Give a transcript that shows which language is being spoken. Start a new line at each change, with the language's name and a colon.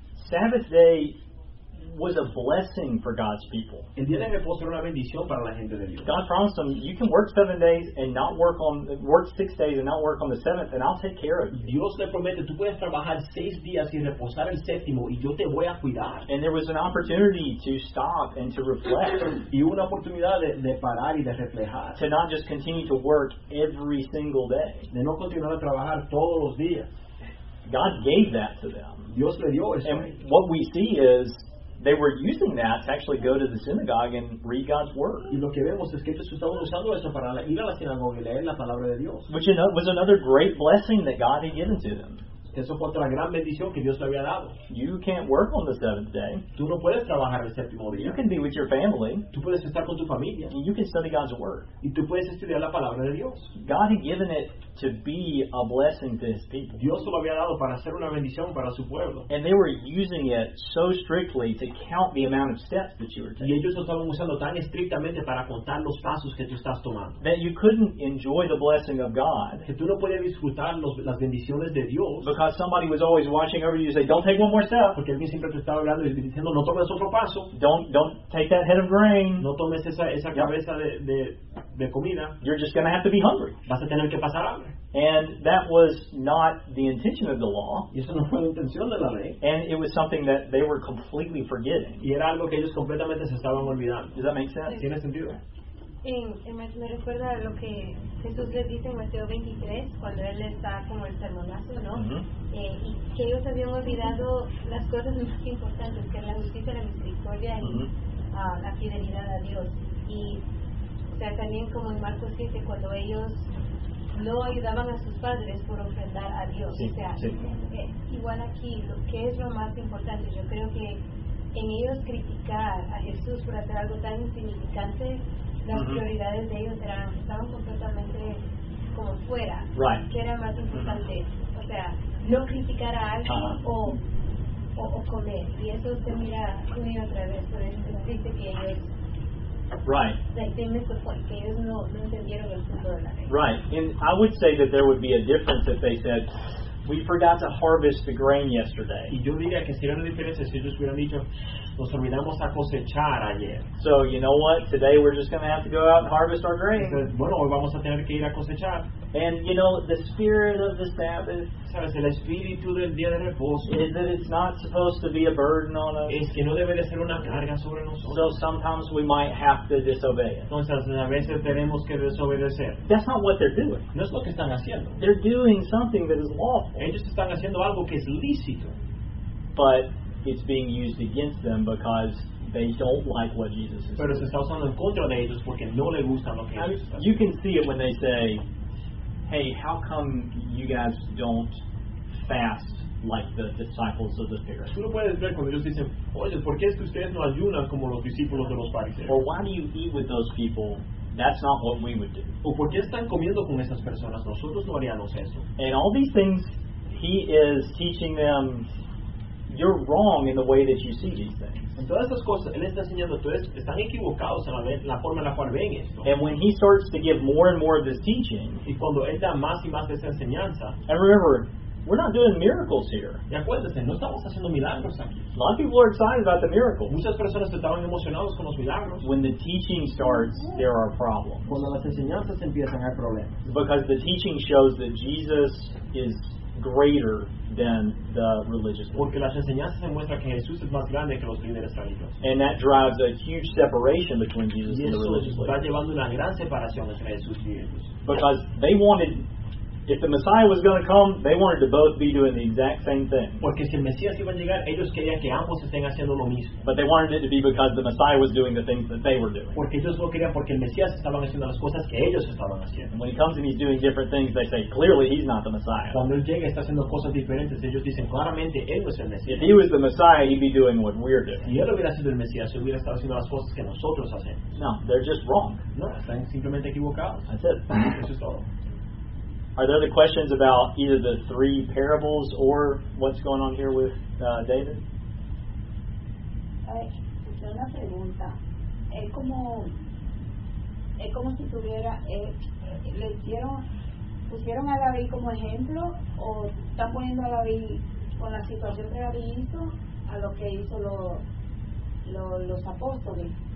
English: Sabbath day was a blessing for God's people.
Spanish: El día de reposo era una bendición para la gente de Dios.
English: God promised them, you can work 7 days and not work on, work 6 days and not work on the seventh, and I'll take care of you.
Spanish: Dios le promete, tú puedes trabajar 6 días y reposar el séptimo, y yo te voy a cuidar.
English: And there was an opportunity to stop and to reflect.
Spanish: Y una oportunidad de parar y de reflejar.
English: To not just continue to work every single day.
Spanish: De no continuar a trabajar todos los días.
English: God gave that to them.
Spanish: Dios le dio eso.
English: And what we see is, they were using that to actually go to the synagogue and read God's word.
Spanish: Y lo que vemos es que ellos estaban usando eso para ir a la sinagoga y leer la palabra de Dios.
English: Which was another great blessing that God had given to them.
Spanish: Eso fue otra gran bendición que Dios le había dado.
English: You can't work on the seventh day.
Spanish: Tú no puedes trabajar el séptimo día.
English: You can be with your family.
Spanish: Tú puedes estar con tu familia.
English: And you can study God's word.
Spanish: Y tú puedes estudiar la palabra de Dios.
English: God had given it to be a blessing to His people.
Spanish: Dios lo había dado para ser una bendición para su pueblo.
English: And they were using it so strictly to count the amount of steps that you were taking.
Spanish: Y ellos lo estaban usando tan estrictamente para contar los pasos que tú estás tomando.
English: That you couldn't enjoy the blessing of God.
Spanish: Que tú no podías disfrutar las bendiciones de Dios.
English: Because somebody was always watching over you, say, "Don't take one more step."
Spanish: Porque alguien siempre te estaba hablando y diciendo, "No tomes otro paso."
English: Don't take that head of grain.
Spanish: No tomes esa cabeza de comida.
English: You're just going to have to be hungry.
Spanish: Vas a tener que pasar hambre.
English: And that was not the intention of the law.
Spanish: Y eso no fue la intención de la ley.
English: And it was something that they were completely forgetting.
Spanish: Y era algo que ellos completamente se estaban olvidando.
English: Does that make sense?
Spanish: ¿Tiene sentido? Me recuerda lo que Jesús les dice en Mateo 23, cuando él está como el sermonazo, ¿no? Y que ellos habían olvidado las cosas más importantes, que es la justicia, la misericordia y la fidelidad a Dios. Y, o sea, también como en Marcos 7, cuando ellos no ayudaban a sus padres por ofrendar a Dios. Sí, o sea, igual aquí, ¿qué es lo más importante? Yo creo que en ellos criticar a Jesús por hacer algo tan insignificante, las prioridades de ellos estaban completamente como fuera.
English: Right.
Spanish: ¿Qué era más importante? O sea, no criticar a alguien o comer. Y eso se mira una y otra vez. Por eso se dice que ellos
English: Right. Like they missed the point.
Spanish: Que ellos no, no entendieron el punto de la ley.
English: Right. And I would say that there would be a difference if they said, we forgot to harvest the grain yesterday.
Spanish: Y yo diría que sería una diferencia si ellos hubieran dicho, nos olvidamos a cosechar ayer.
English: So, you know what? Today we're just going to have to go out and harvest our grain.
Spanish: Entonces, bueno, hoy vamos a tener que ir a cosechar.
English: And, you know, the spirit of the Sabbath,
Spanish: ¿sabes? El espíritu del día de reposo,
English: is that it's not supposed to be a burden on us.
Spanish: Es que no debe de ser una carga sobre nosotros.
English: So sometimes we might have to disobey.
Spanish: Entonces, a veces tenemos que desobedecer.
English: That's not what they're doing.
Spanish: No es lo que están haciendo.
English: They're doing something that is lawful.
Spanish: Ellos están haciendo algo que es lícito.
English: But it's being used against them because they don't like what Jesus is
Spanish: pero se está usando en contra de ellos porque no le gustan lo que Jesús está haciendo.
English: You can see it when they say, hey, how come you guys don't fast like the disciples of the Pharisees?
Spanish: Tú lo puedes ver cuando ellos dicen, oye, ¿por qué es que ustedes no ayunan como los discípulos de los fariseos?
English: Or why do you eat with those people? That's not what we would do.
Spanish: ¿O por qué están comiendo con esas personas? Nosotros no haríamos eso.
English: And all these things, he is teaching them, you're wrong in the way that you see these things.
Spanish: En todas estas cosas, él está enseñando, ustedes están equivocados en la forma en la cual ven esto.
English: And when he starts to give more and more of this teaching,
Spanish: y cuando él da más y más de esta enseñanza,
English: and remember, we're not doing miracles here.
Spanish: Y acuérdense, no estamos haciendo milagros aquí.
English: A lot of people are excited about the miracles.
Spanish: Muchas personas estaban emocionados con los milagros.
English: When the teaching starts, there are problems.
Spanish: Cuando las enseñanzas empiezan, hay problemas.
English: Because the teaching shows that Jesus is greater than the religious leaders.
Spanish: Porque las enseñanzas demuestran que Jesús es más grande que los líderes religiosos.
English: And that drives a huge separation between Jesus and the religious leaders.
Spanish: Y está llevando una gran separación entre Jesús y ellos.
English: Because they wanted, if the Messiah was going to come, they wanted to both be doing the exact same thing.
Spanish: Porque si el Mesías iba a llegar, ellos querían que ambos estén haciendo lo mismo.
English: But they wanted it to be because the Messiah was doing the things that they were doing.
Spanish: Porque ellos no querían porque el Mesías estaban haciendo las cosas que ellos estaban haciendo.
English: And when he comes and he's doing different things, they say, clearly he's not the Messiah.
Spanish: Cuando él llega y está haciendo cosas diferentes, ellos dicen, claramente él no es el Mesías.
English: If he was the Messiah, he'd be doing what we're doing.
Spanish: Si él hubiera sido el Mesías, hubiera estado haciendo las cosas que nosotros hacemos.
English: No, they're just wrong.
Spanish: No, están simplemente equivocados.
English: That's it.
Spanish: Eso es todo.
English: Are there other questions about either the three parables or what's going on here with David?
Spanish: Es una pregunta. Es como si tuviera le hicieron pusieron a David como ejemplo o están poniendo a David con la situación que David hizo a lo que hizo los apóstoles.